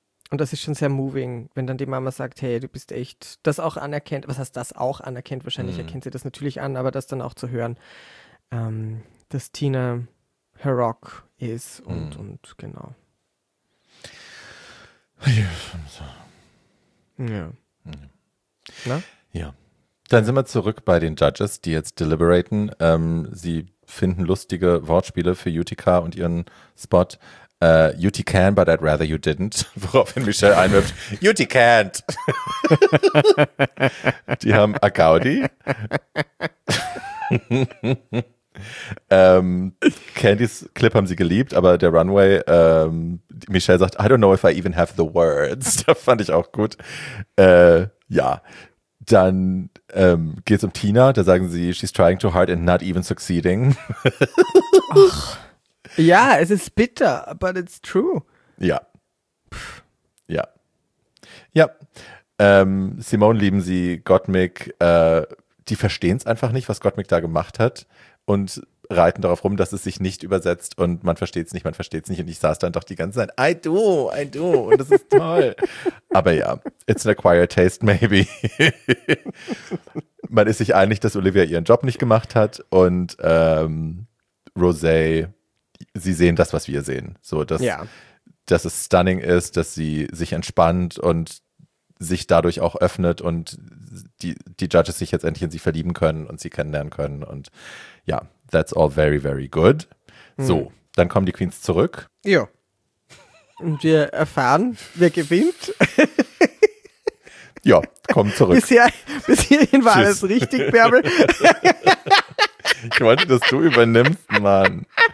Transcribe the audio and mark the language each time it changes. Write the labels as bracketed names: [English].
[German] Und das ist schon sehr moving, wenn dann die Mama sagt, hey, du bist echt, das auch anerkennt, was heißt das auch anerkennt, wahrscheinlich erkennt sie das natürlich an, aber das dann auch zu hören, dass Tina her Rock ist und genau. Ja. Ja. Na? Ja. Dann sind wir zurück bei den Judges, die jetzt deliberaten. Sie finden lustige Wortspiele für Utica und ihren Spot. [English] Yuti can, but I'd rather you didn't. [German] Woraufhin Michelle einwirft, [English] Yuti can't. [German] Die haben a Gaudi. Candy's Clip haben sie geliebt, aber der Runway, Michelle sagt, [English] I don't know if I even have the words. [German] Da fand ich auch gut. Ja, dann geht es um Tina, da sagen sie, [English] she's trying too hard and not even succeeding. [German] Ach. Ja, es ist bitter, [English] but it's true. [German] Ja. Ja. Ja. Simone lieben sie, Gottmik, die verstehen es einfach nicht, was Gottmik da gemacht hat und reiten darauf rum, dass es sich nicht übersetzt und man versteht es nicht, man versteht es nicht. Und ich saß dann doch die ganze Zeit, [English] I do, [German] und das ist toll. [English] Aber ja, it's an acquired taste, maybe. [German] Man ist sich einig, dass Olivia ihren Job nicht gemacht hat und Rosé, sie sehen das, was wir sehen. So, dass, ja, dass es stunning ist, dass sie sich entspannt und sich dadurch auch öffnet und die Judges sich jetzt endlich in sie verlieben können und sie kennenlernen können. [English] Und ja, that's all very, very good. Hm. [German] So, dann kommen die Queens zurück. Ja. Und wir erfahren, wer gewinnt. Ja, kommen zurück. Bis hierhin war alles richtig, Bärbel. Ich wollte, dass du übernimmst, Mann.